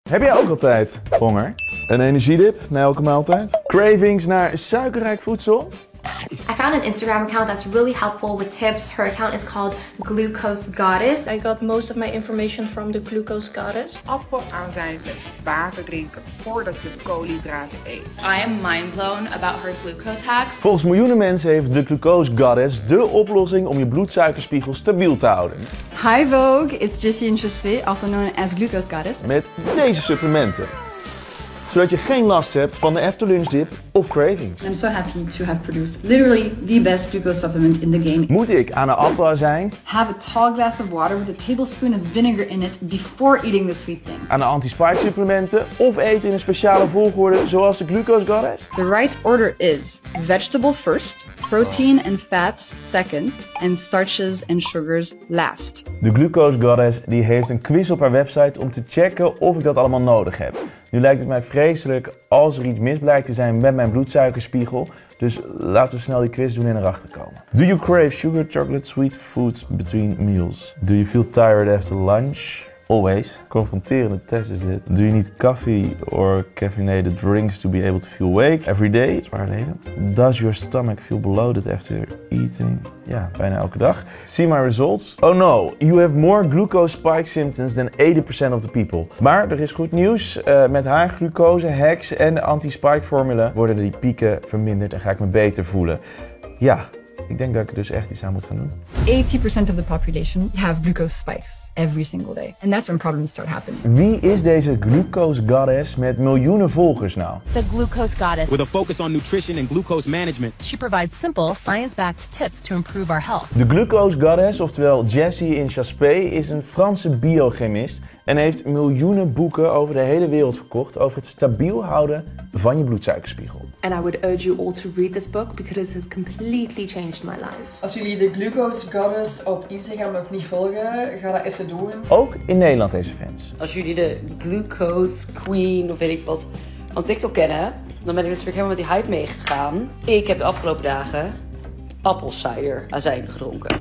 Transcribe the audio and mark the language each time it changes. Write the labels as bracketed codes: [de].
[nl] Heb jij ook altijd honger? Een energiedip na elke maaltijd? Cravings naar suikerrijk voedsel? [en] I found an Instagram account that's really helpful with tips. Her account is called Glucose Goddess. I got most of my information from the Glucose Goddess. [nl] Appel aanzuigen, water drinken voordat je koolhydraten eet. [en] I am mind blown about her glucose hacks. [nl] Volgens miljoenen mensen heeft de Glucose Goddess de oplossing om je bloedsuikerspiegel stabiel te houden. [en] Hi Vogue, it's Jessie Intrespe, also known as Glucose Goddess. [nl] Met deze supplementen. Zodat je geen last hebt van de afterlunchdip of cravings. [en] I'm so happy to have produced literally the best glucose supplement in the game. [nl] Moet ik aan de appelazijn? [en] Have a tall glass of water with a tablespoon of vinegar in it before eating the sweet thing. [nl] Aan de anti-spike supplementen of eten in een speciale volgorde zoals de Glucose Goddess? [en] The right order is vegetables first, protein and fats second, and starches and sugars last. [nl] De Glucose Goddess die heeft een quiz op haar website om te checken of ik dat allemaal nodig heb. Nu lijkt het mij vreselijk als er iets mis blijkt te zijn met mijn bloedsuikerspiegel. Dus laten we snel die quiz doen en erachter komen. [en] Do you crave sugar, chocolate, sweet foods between meals? Do you feel tired after lunch? Always. [nl] Confronterende test is dit. [en] Do you need coffee or caffeinated drinks to be able to feel awake every day? [nl] Zwaar leden. [en] Does your stomach feel bloated after eating? [nl] Ja, bijna elke dag. [en] See my results. Oh no, you have more glucose spike symptoms than 80% of the people. [nl] Maar er is goed nieuws. Met haar glucose hacks en anti-spike formule worden die pieken verminderd en ga ik me beter voelen. Ja. Ik denk dat ik dus echt iets aan moet gaan doen. [en] 80% of the population have glucose spikes every single day. And that's when problems start happening. [nl] Wie is deze glucose goddess met miljoenen volgers nou? [en] The glucose goddess. With a focus on nutrition and glucose management. She provides simple, science-backed tips to improve our health. [nl] De glucose goddess, oftewel Jessie Intrespe, is een Franse biochemist. En heeft miljoenen boeken over de hele wereld verkocht over het stabiel houden van je bloedsuikerspiegel. [en] And I would urge you all to read this book because it has completely changed my life. [nl] Als jullie de Glucose Goddess op Instagram nog niet volgen, ga dat even doen. Ook in Nederland deze fans. Als jullie de Glucose Queen of weet ik wat van TikTok kennen, dan ben ik natuurlijk helemaal met die hype meegegaan. Ik heb de afgelopen dagen appelcider-azijn gedronken.